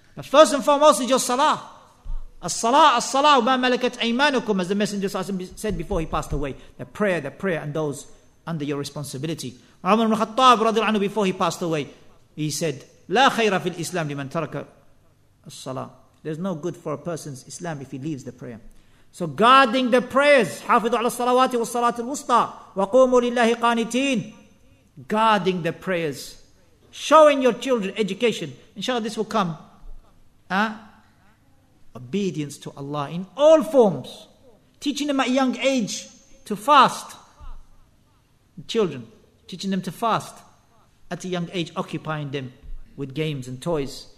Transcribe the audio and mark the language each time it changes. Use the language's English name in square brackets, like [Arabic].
[English] But first and foremost is your salah. [Arabic] As-salah, as-salah, ma malakat aymanukum, [English] as the Messenger said before he passed away. The prayer, and those under your responsibility. Umar ibn Khattab, before he passed away, he said, [Arabic] لا خير في الإسلام لمن ترك الصلاة. [English] There's no good for a person's Islam if he leaves the prayer. So guarding the prayers, [Arabic] حافظوا على الصلوات والصلاة الوسطى وقوموا لله قانتين. [English] Guarding the prayers, showing your children education. Inshallah, this will come. Obedience to Allah in all forms. Teaching them at a young age to fast. Children, teaching them to fast at a young age, occupying them with games and toys.